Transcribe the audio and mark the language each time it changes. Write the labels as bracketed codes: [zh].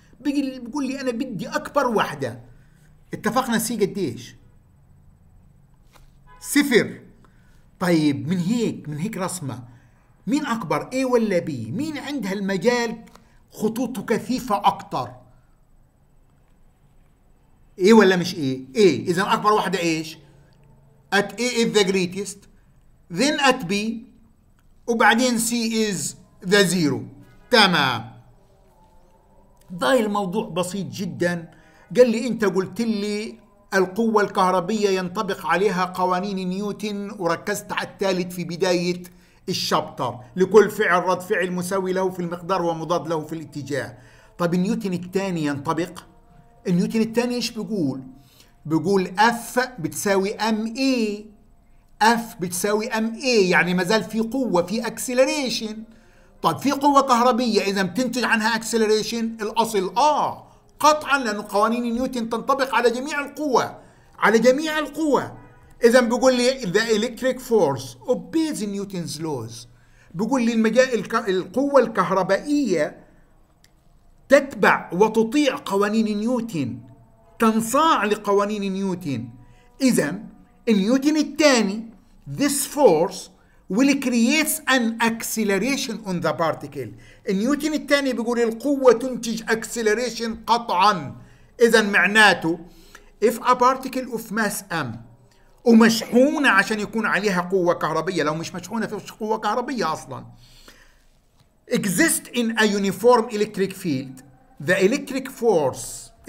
[ar] بيقول لي أنا بدي أكبر واحدة. اتفقنا C قديش؟ صفر. طيب من هيك رسمة. مين أكبر A ولا B؟ مين عندها المجال خطوطه كثيفة أكتر؟ A ولا مش A؟ A. إذا أكبر واحدة إيش؟ [en] At A is the greatest. Then at B. وبعدين C is the zero تمام [ar] ده الموضوع بسيط جدا. قال لي انت قلت لي القوة الكهربية ينطبق عليها قوانين نيوتن وركزت على الثالث في بداية الشابتر، لكل فعل رد فعل مساوي له في المقدار ومضاد له في الاتجاه. طب نيوتن الثاني ينطبق؟ نيوتن الثاني ايش بيقول؟ بيقول اف بتساوي ام اي، اف بتساوي ام اي، يعني مازال في قوة، في اكسلريشن. طب في قوة كهربية اذا بتنتج عنها اكسلريشن، الاصل اه قطعا، لأن قوانين نيوتن تنطبق على جميع القوى، على جميع القوى. اذا بيقول لي [en] the electric force obeys Newton's laws، [ar] بيقول لي القوة الكهربائية تتبع وتطيع قوانين نيوتن، تنصاع لقوانين نيوتن. اذا نيوتن الثاني [en] this force will creates an acceleration on the particle. [ar] نيوتن الثاني بيقول القوة تنتج acceleration قطعا. اذا معناته [en] if a particle of mass m [ar] ومشحونة، عشان يكون عليها قوة كهربية، لو مش مشحونة فيش قوة كهربية اصلا، [en] exist in a uniform electric field the electric force.